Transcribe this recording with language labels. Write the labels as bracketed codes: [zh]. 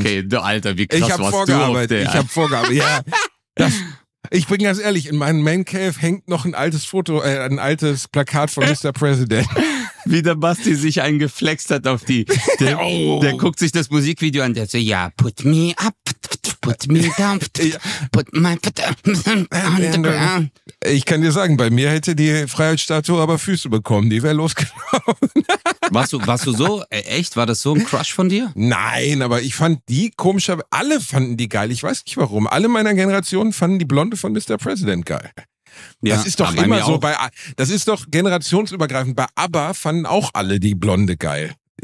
[de] Aber, okay, Alter, wie krass warst du auf der. Ich habe Vorgabe, ja. Ich bin ganz ehrlich, in meinem Man Cave hängt noch ein altes Foto, ein altes Plakat von Mr. President. Wie der Basti sich einen geflext hat auf die. Der guckt sich das Musikvideo an, der so, ja, [en] put me up. Put me down, put my foot on the ground. [de] Ich kann dir sagen, bei mir hätte die Freiheitsstatue aber Füße bekommen, die wäre losgelaufen. Warst du so, echt, war das so ein Crush von dir? Nein, aber ich fand die komisch, alle fanden die geil, ich weiß nicht warum. Alle meiner Generation fanden die Blonde von Mr. President geil. Das ist doch immer so, das ist doch generationsübergreifend, bei ABBA fanden auch alle die Blonde geil.